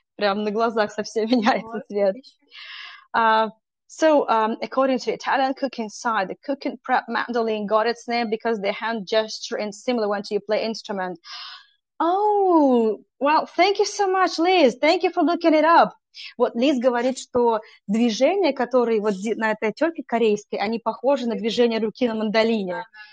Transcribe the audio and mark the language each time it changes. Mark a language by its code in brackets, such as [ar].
[ru] Прям на глазах совсем меняется цвет. [en] So, according to Italian cooking site, the cooking prep mandolin got its name because the hand gesture is similar when you play instrument. Oh, well, thank you so much, Liz. Thank you for looking it up. [ru] Вот Лиз говорит, что движения, которые вот на этой терке корейской, они похожи на движение руки на мандолине.